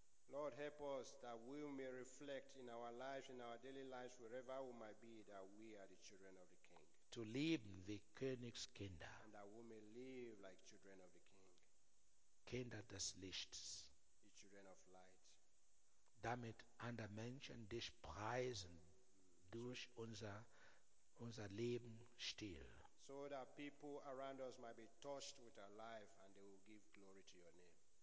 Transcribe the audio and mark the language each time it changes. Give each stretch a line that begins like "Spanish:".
English: Lord, help us that we may reflect in our lives, in our daily lives, wherever we might be, that we are the children of the King.
German: Zu leben wie Königskinder.
English: And that we may live like children of the King.
German: Kinder des Lichts.
English: The children of light.
German: Damit andere Menschen dich preisen durch unser Lebensstil.
English: So that people around us might be touched with our life and they will give glory to your name.